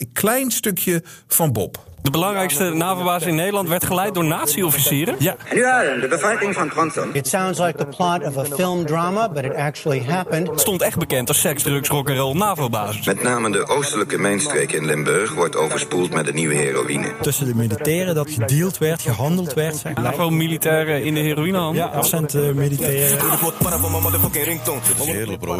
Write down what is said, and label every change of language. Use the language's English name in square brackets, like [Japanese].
[Dutch] Een klein stukje van Bob. De belangrijkste NAVO-baas in Nederland werd geleid door nazi-officieren. Ja. De bevrijding van Kwantzen. [English] It sounds like the plot of a film drama, but it actually happened. [Dutch] Stond echt bekend als seks, drugs, rock and roll NAVO-baas. Met name de oostelijke mijnstreek in Limburg wordt overspoeld met de nieuwe heroïne. Tussen de militairen dat gedeeld werd, gehandeld werd. NAVO-militairen in de heroïnehandel. Ja, afzend militairen. Het is heerlijk, bro.